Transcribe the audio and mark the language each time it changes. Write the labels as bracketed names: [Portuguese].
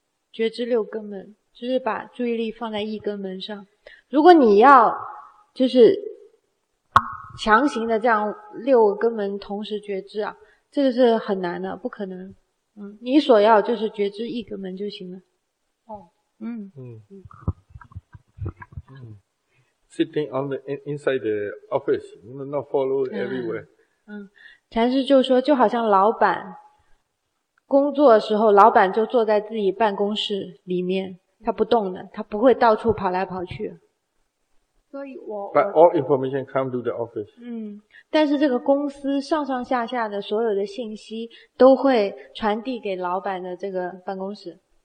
[Chinese] 觉知六根门就是把注意力放在一根门上。如果你要就是强行的这样六个根门同时觉知啊，这个是很难的，不可能。嗯，你所要就是觉知一根门就行了。哦，嗯嗯嗯。 [English] Sitting on the inside the office, not follow everywhere. [Chinese] 嗯，禅师就说，就好像老板工作的时候，老板就坐在自己办公室里面，他不动的，他不会到处跑来跑去。所以 [English] But all information come to the office. [Chinese] 嗯，但是这个公司上上下下的所有的信息都会传递给老板的这个办公室。